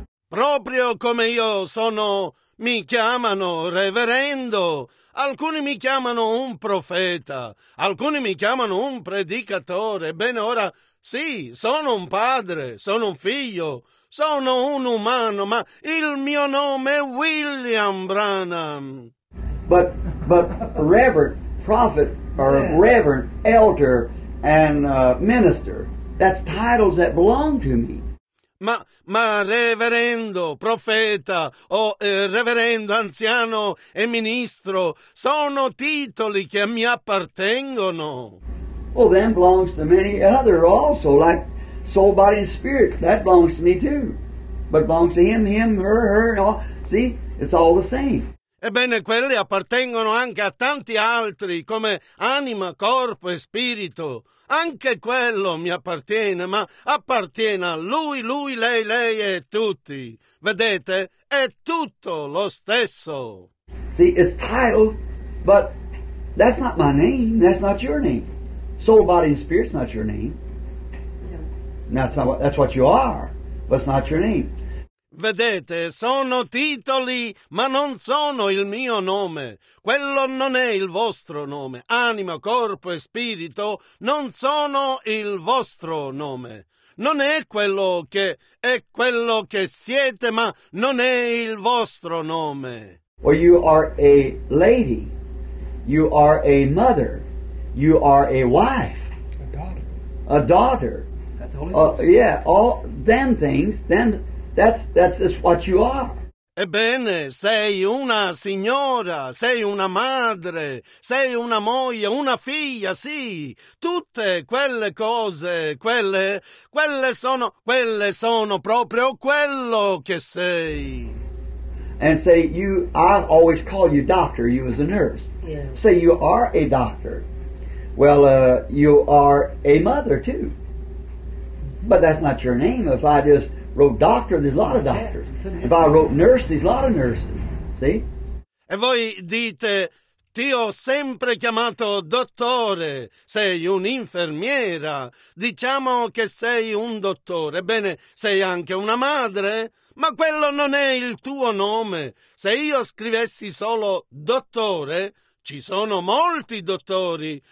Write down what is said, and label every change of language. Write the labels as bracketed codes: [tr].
[it] Proprio come io sono, mi chiamano reverendo, alcuni mi chiamano un profeta, alcuni mi chiamano un predicatore. Bene, ora, sì, sono un padre, sono un figlio, sono un umano, ma il mio nome è William Branham. [en] But reverend, prophet, or reverend, elder, and minister, that's titles that belong to me. [it] Ma reverendo, profeta, o reverendo, anziano e ministro, sono titoli che mi appartengono. [en] Well, then belongs to many other also, like soul, body, and spirit. That belongs to me too. But belongs to him, her, and all. See, it's all the same. [it] Ebbene, quelli appartengono anche a tanti altri, come anima, corpo e spirito. Anche quello mi appartiene, ma appartiene a lui, lei e tutti. Vedete, è tutto lo stesso. [en] See, it's titles, but that's not my name, that's not your name. Soul, body, and spirit's not your name. That's what you are, but it's not your name. [it] Vedete, sono titoli, ma non sono il mio nome. Quello non è il vostro nome. Anima, corpo e spirito non sono il vostro nome. Non è quello che è quello che siete, ma non è il vostro nome. [en] Well, you are a lady. You are a mother. You are a wife. A daughter. A daughter. Yeah, all them things, them... That's just what you are. [it] Ebbene, sei una signora, sei una madre, sei una moglie, una figlia, sì. Tutte quelle cose, quelle sono proprio quello che sei. [en] And say you, I always call you doctor, you as a nurse. Yeah. Say you are a doctor. Well, you are a mother too. But that's not your name. If I just wrote doctor, there's a lot of doctors. If I wrote nurse, there's a lot of nurses. See? [it] E voi dite, ti ho sempre chiamato dottore, sei un'infermiera. Diciamo che sei un dottore. Bene, sei anche una madre, ma quello non è il tuo nome. Se io scrivessi solo dottore, ci sono molti dottori.